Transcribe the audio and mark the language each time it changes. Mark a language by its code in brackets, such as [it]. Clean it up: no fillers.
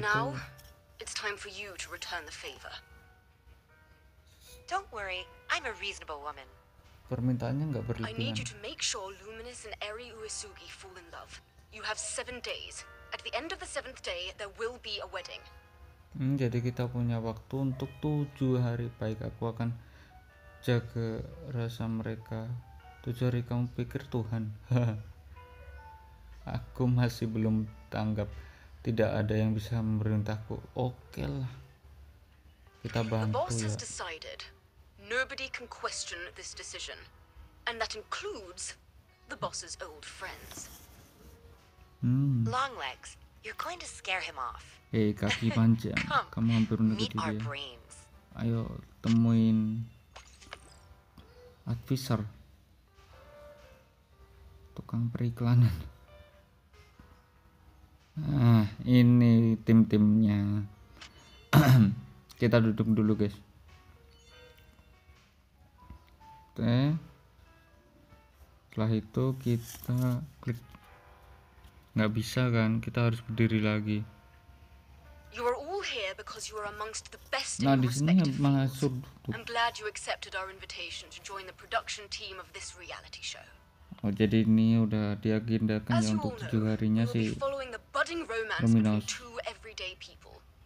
[en] And now it's time for you to return the favor. Don't worry, I'm a reasonable woman. [id] Permintaannya enggak berlebihan. [en] I need you to make sure Luminous and Erii Uesugi fall in love. You have 7 days. At the end of the 7th day there will be a wedding. [id] Jadi kita punya waktu untuk 7 hari. Baik, aku akan jaga rasa mereka. 7 hari, kamu pikir Tuhan? Aku masih belum tanggap. Tidak ada yang bisa memerintahku. Oke lah, kita bantu ya. [en] The boss has decided. Nobody can question this decision, and that includes the boss's old friends. Long legs. You're going to scare him off. [id] Hey, kaki panjang. Kamu hampir [en] meet our brains. [id] Ayo temuin advisor, tukang periklanan. Ini tim-timnya. Kita duduk dulu, guys. Oke. Setelah itu kita klik. Gak bisa kan, kita harus berdiri lagi. [en] You are all here because you are amongst the best. [id] Nah, di sini masuk. [en] I'm glad you accepted our invitation to join the production team of this reality show. [id] Oh, jadi ini udah diagendakan ya untuk 7 harinya sih. [en] We'll be following the budding romance between two everyday people.